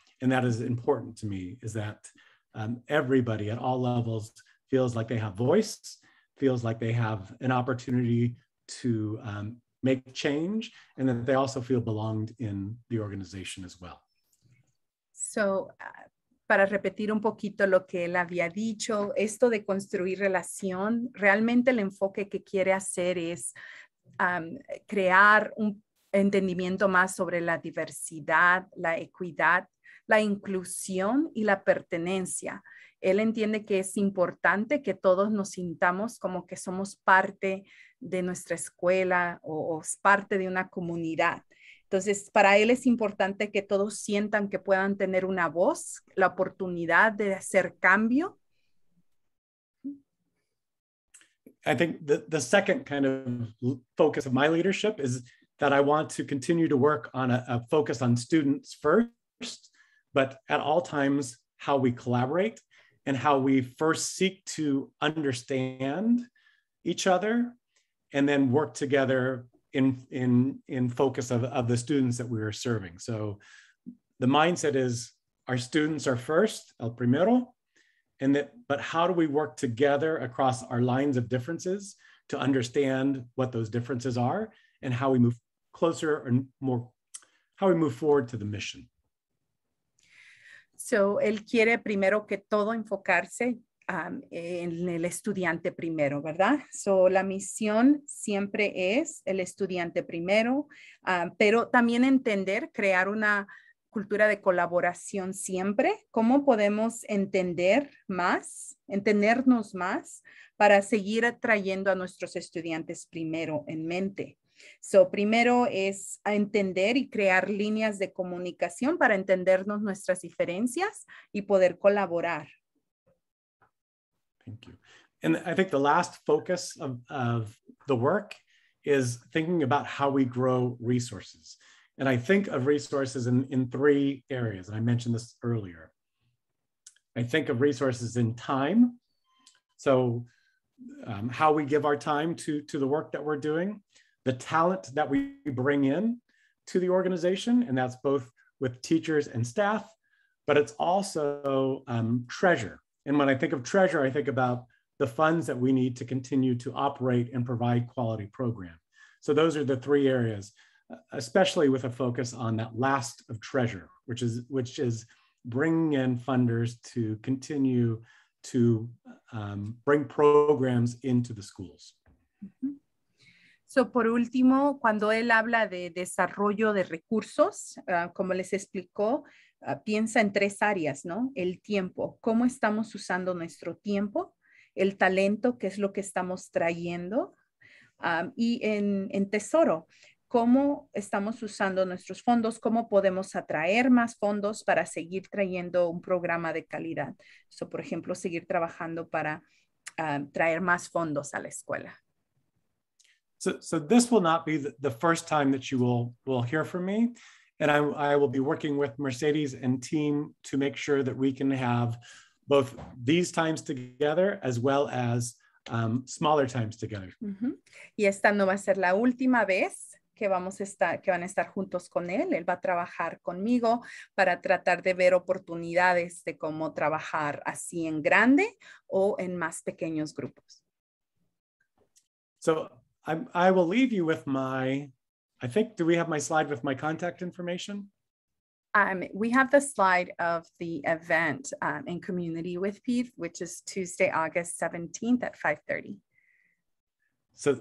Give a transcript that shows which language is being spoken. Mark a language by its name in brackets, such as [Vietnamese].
[English] And that is important to me, is that everybody at all levels feels like they have voice, feels like they have an opportunity to make change, and that they also feel belonged in the organization as well. So [Spanish] para repetir un poquito lo que él había dicho, esto de construir relación, realmente el enfoque que quiere hacer es crear un entendimiento más sobre la diversidad, la equidad, la inclusión y la pertenencia. Él entiende que es importante que todos nos sintamos como que somos parte de nuestra escuela o parte de una comunidad. Entonces, para él es importante que todos sientan que puedan tener una voz, la oportunidad de hacer cambio. [English] I think the second kind of focus of my leadership is that I want to continue to work on a focus on students first, but at all times, how we collaborate and how we first seek to understand each other and then work together in focus of the students that we are serving. So the mindset is our students are first, [Spanish] el primero, [English] and that, but how do we work together across our lines of differences to understand what those differences are and how we move closer and more, how we move forward to the mission. [Spanish] So él quiere primero que todo enfocarse en el estudiante primero, ¿verdad? So la misión siempre es el estudiante primero, pero también entender, crear una cultura de colaboración siempre. ¿Cómo podemos entender más, entendernos más para seguir atrayendo a nuestros estudiantes primero en mente? So, primero es entender y crear líneas de comunicación para entendernos nuestras diferencias y poder colaborar. [English] Thank you. And I think the last focus of the work is thinking about how we grow resources. And I think of resources in three areas. And I mentioned this earlier. I think of resources in time. So how we give our time to the work that we're doing. The talent that we bring in to the organization, and that's both with teachers and staff, but it's also treasure. And when I think of treasure, I think about the funds that we need to continue to operate and provide quality program. So those are the three areas, especially with a focus on that last of treasure, which is bringing in funders to continue to bring programs into the schools. Mm-hmm. [Spanish] So, por último, cuando él habla de desarrollo de recursos, como les explicó, piensa en tres áreas, ¿no? El tiempo, cómo estamos usando nuestro tiempo, el talento, qué es lo que estamos trayendo, y en tesoro, cómo estamos usando nuestros fondos, cómo podemos atraer más fondos para seguir trayendo un programa de calidad. So, por ejemplo, seguir trabajando para traer más fondos a la escuela. [English] So this will not be the first time that you will hear from me. And I will be working with Mercedes and team to make sure that we can have both these times together as well as smaller times together. [Spanish] Mm-hmm. Y esta no va a ser la última vez que van a estar juntos con él. Él va a trabajar conmigo para tratar de ver oportunidades de cómo trabajar así en grande o en más pequeños grupos. [English] So I will leave you with do we have my slide with my contact information? We have the slide of the event in community with Pete, which is Tuesday, August 17th at 5:30.